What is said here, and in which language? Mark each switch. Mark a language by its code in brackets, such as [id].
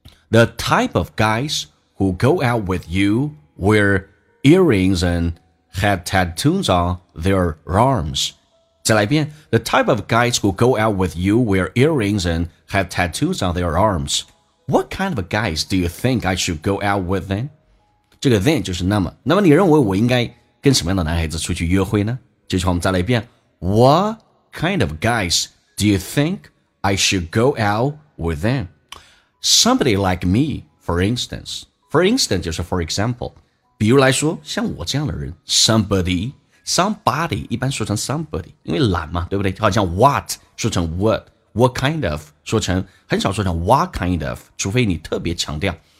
[en] The type of guys who go out with you wear earrings and have tattoos on their arms。 [zh] 再来一遍， [en] The type of guys who go out with you wear earrings and have tattoos on their arms。 What kind of guys do you think I should go out with then? [zh] 这个 then 就是那么，那么你认为我应该跟什么样的男孩子出去约会呢？这句话我们再来一遍。 [en] What kind of guys do you think I should go out with them? Somebody like me, for instance. For instance [zh] 就是 [en] for example， [zh] 比如来说像我这样的人。 Somebody 一般说成 somebody， 因为懒嘛，对不对？好像 what 说成 what， what kind of 说成，很少说成 what kind of， 除非你特别强调。